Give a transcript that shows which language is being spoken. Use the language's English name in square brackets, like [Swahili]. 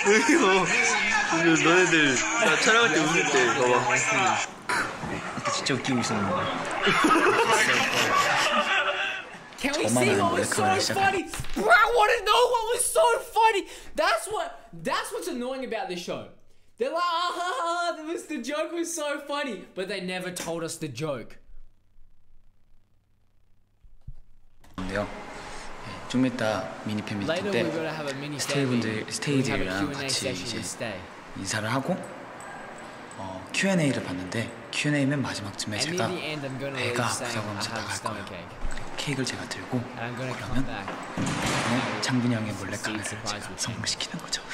[Korean] 이거 너네들 나 촬영할 때 웃을 때 봐봐. 이때 진짜 웃기고 있었는데. [English] Can we see what was so funny? Bro, I want to know what was so funny. That's what's annoying about this show. They're like, ah, ha, ha, the joke was so funny, but they never told us the joke. Yeah. [Korean] 좀 이따 미니팬 미팅 때 스테이분들 스테이들이랑 같이 이제 인사를 하고 Q&A를 받는데 Q&A면 마지막쯤에 제가 배가 부서가면서 나갈 거예요. 케이크를 제가 들고 그러면 창빈이 형의 몰래 카메라를 제가 성공시키는 거죠.